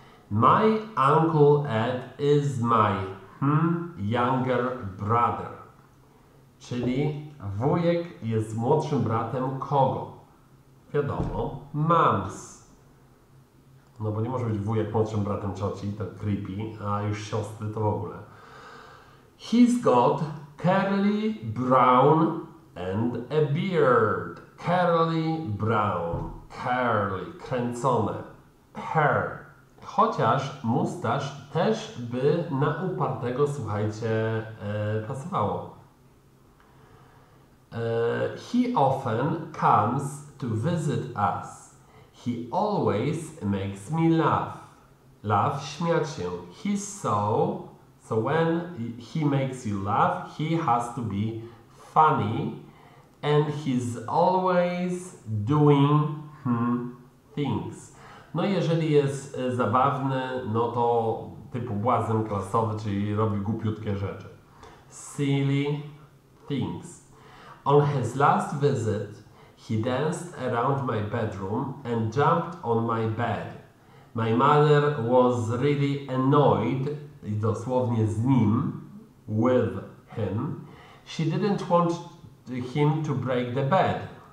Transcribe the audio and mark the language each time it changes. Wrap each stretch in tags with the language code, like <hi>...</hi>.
<en>My uncle Ed is my younger brother.</en> <pl>Czyli wujek jest młodszym bratem kogo? Wiadomo, mams. No bo nie może być wujek młodszym bratem cioci, to creepy, a już siostry to w ogóle.</pl> <en>He's got curly brown and a beard, curly brown, curly, kręcone, hair.</en> <pl>Chociaż mustasz też by na upartego, słuchajcie, pasowało.</pl> <en>He often comes to visit us. He always makes me laugh. Laugh,</en> <pl>śmiać się.</pl> <en>He's so, so when he makes you laugh, he has to be funny. And he's always doing things.</en> <pl>No jeżeli jest zabawny, no to typu błazen klasowy, czyli robi głupiutkie rzeczy.</pl> <en>Silly things. On his last visit, he danced around my bedroom and jumped on my bed. My mother was really annoyed,</en> <pl>dosłownie z nim,</pl> <en>with him. She didn't want him to break the bed.</en>